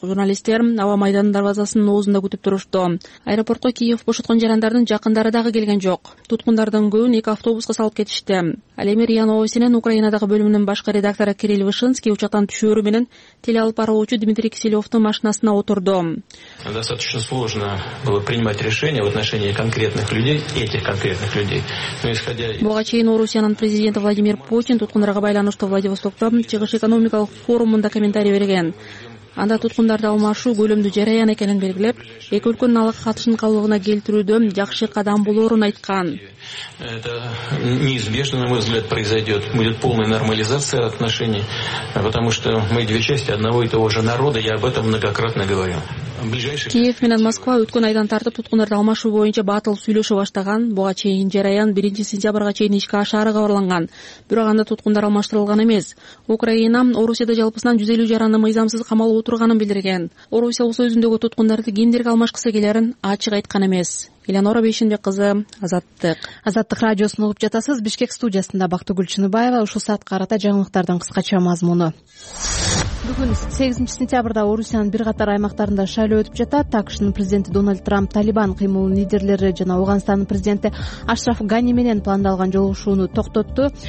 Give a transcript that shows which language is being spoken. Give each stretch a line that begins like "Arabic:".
Kyrgyz: Журналисттер аба майданынын дарбазасынын оозунда күтүп турушту. Аэропортко Киев бошоткон жарандардын жакындары дагы келген жок. Туткундардын көбүн эки автобуска салып кетишти. Ал эми РИА Новостинин Украинадагы бөлүмүнүн башкы редактору Кирилл Вышинский учактан түшүүрү менен теле алып баруучу Дмитрий Киселевдин машинасына отурду.
Russian: Достаточно сложно было принимать решение в отношении конкретных людей, этих конкретных людей.
Kyrgyz: Буга чейин Орусиянын президенти Владимир Путин туткундарга байланыштуу Владивостокто чыгыш экономикалык форумунда комментарий берген. Анда туткундарды алмашуу көлөмдүү жараян экенин белгилеп, эки өлкөнүн алга катышын калыбына келтирүүдө жакшы кадам болорун айткан.
Russian: Это неизбежно, на мой взгляд, произойдет. Будет полная нормализация отношений, потому что мы две части одного и того же народа, я об этом многократно говорил.
Kyrgyz: Киев менен Москва өткөн айдан тартып туткундарды алмашуу боюнча батыл сүйлөшө баштаган. Буга чейин жараян 1 сентябрга чейин ишке ашары кабарланган. Бирок анда туткундар алмаштырылган эмес. Украина Орусияда жалпысынан 150 жараны мыйзамсыз камалып отурганын билдирген. Орусия болсо өзүндөгү туткундарды кимдерге алмашкысы келерин ачык айткан эмес. Эленора Бейшенбек кызы, Азаттык. Азаттык радиосун угуп жатасыз. Бишкек студиясында Бактыгүл Чыныбаева ушул саатка карата жаңылыктардын кыскача мазмуну. Бүгүн 8 сентябрда Орусиянын бир катар аймактарында шайлоо өтүп жатат. АКШнын президенти Дональд Трамп Талибан кыймылынын лидерлери жана Ауганстандын президенти Ашраф Гани менен пландалган жолугушууну токтотту.